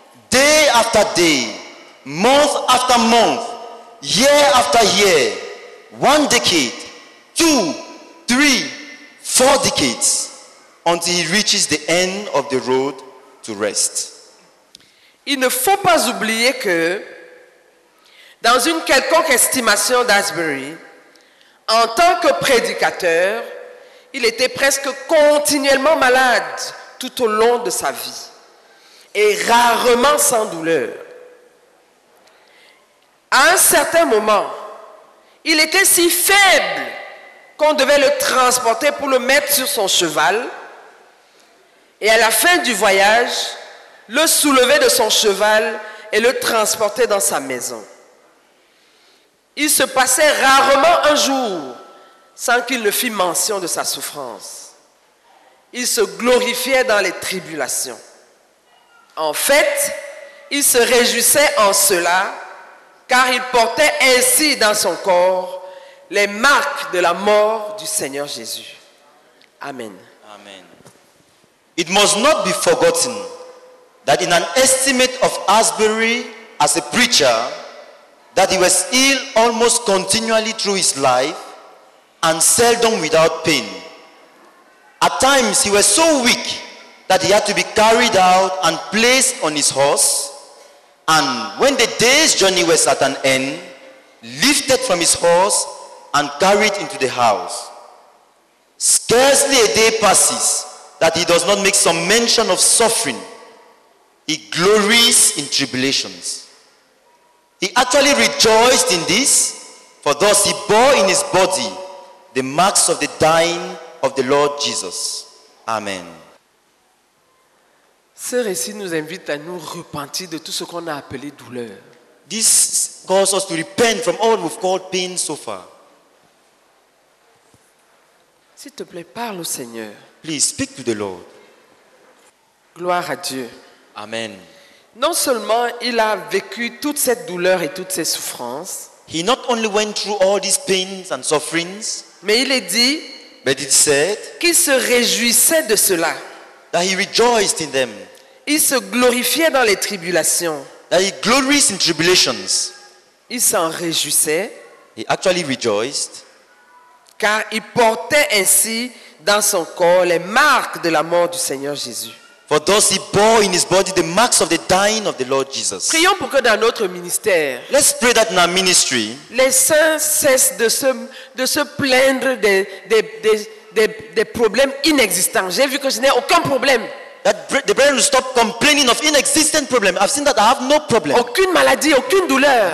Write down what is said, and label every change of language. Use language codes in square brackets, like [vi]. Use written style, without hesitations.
[en] day after day, month after month, year after year, 1 decade, 2, 3, 4 decades, until he reaches the end of the road to rest. [fr] Il ne faut pas oublier que dans une quelconque estimation d'Asbury, en tant que prédicateur, il était presque continuellement malade tout au long de sa vie et rarement sans douleur. À un certain moment, il était si faible qu'on devait le transporter pour le mettre sur son cheval et à la fin du voyage, le soulever de son cheval et le transporter dans sa maison. Il se passait rarement un jour sans qu'il ne fît mention de sa souffrance. Il se glorifiait dans les tribulations. En fait, il se réjouissait en cela, car il portait ainsi dans son corps les marques de la mort du Seigneur Jésus. Amen. Amen. [en] It must not be forgotten that in an estimate of Asbury as a preacher, that he was ill almost continually through his life and seldom without pain. At times, he was so weak that he had to be carried out and placed on his horse, and when the day's journey was at an end, lifted from his horse and carried into the house. Scarcely a day passes that he does not make some mention of suffering. He glories in tribulations. He actually rejoiced in this, for thus he bore in his body the marks of the dying of the Lord Jesus. Amen. [fr] Ce récit nous invite à nous repentir de tout ce qu'on a appelé douleur. [en] This calls us to repent from all we've called pain so far. [fr] S'il te plaît, parle au Seigneur. [en] Please speak to the Lord. [fr] Gloire à Dieu. Amen. Non seulement il a vécu toute cette douleur et toutes ces souffrances, [en] he not only went through all these pains and sufferings, [fr] mais il est dit, [en] but it said, [fr] qu'il se réjouissait de cela, [en] that he rejoiced in them, [fr] il se glorifiait dans les tribulations, [en] that he glories in tribulations, [fr] il s'en réjouissait, [en] he actually rejoiced, [fr] car il portait ainsi dans son corps les marques de la mort du Seigneur Jésus. [en] For thus he bore in his body the marks of the dying of the Lord Jesus. [fr] Prions pour que dans notre ministère, [en] let's pray that in our ministry, [fr] les saints cessent de se plaindre des problèmes inexistants. J'ai vu que je n'ai aucun problème. [en] That the brethren will stop complaining of inexistent problems. I've seen that I have no problem. [fr] Aucune maladie, aucune douleur.